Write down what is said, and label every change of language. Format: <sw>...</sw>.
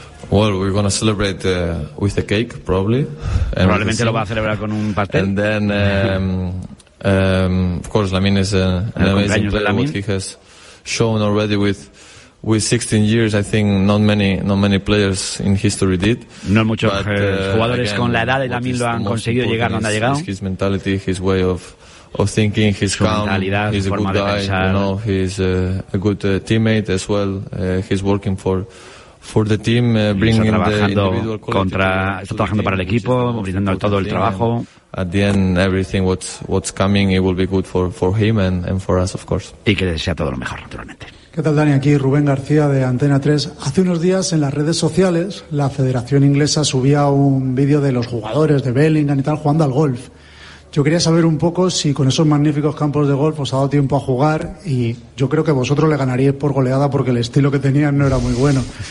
<en>Well, we're going to celebrate with a cake, probably.</en> <es>Probablemente lo va a celebrar con un pastel.</es> <en>And then, of course, Lamine is an amazing player. What he has shown already with 16 years, I think not many players in history did.</en> <es>No muchos jugadores</es> <en>again,</en> <es>con la edad de Lamine lo han conseguido llegar donde ha llegado.</es> <en>His mentality, his way of thinking, his calm, he's a good guy, you know, he's a good teammate as well, he's working for the team, bringing</en> <es>está trabajando</es> <en>the individual</en> <es>contra está trabajando para el equipo, brindando todo el trabajo.</es> <en>At the end, everything what's coming, it will be good for him and for us, of course.</en> <es>Y que desea todo lo mejor, naturalmente. ¿Qué tal, Dani? Aquí Rubén García de Antena 3. Hace unos días en las redes sociales la Federación Inglesa subía un vídeo de los jugadores de Bellingham y tal jugando al golf. Yo quería saber un poco si con esos magníficos campos de golf os ha dado tiempo a jugar, y yo creo que vosotros le ganaríais por goleada porque el estilo que tenían no era muy bueno.</es>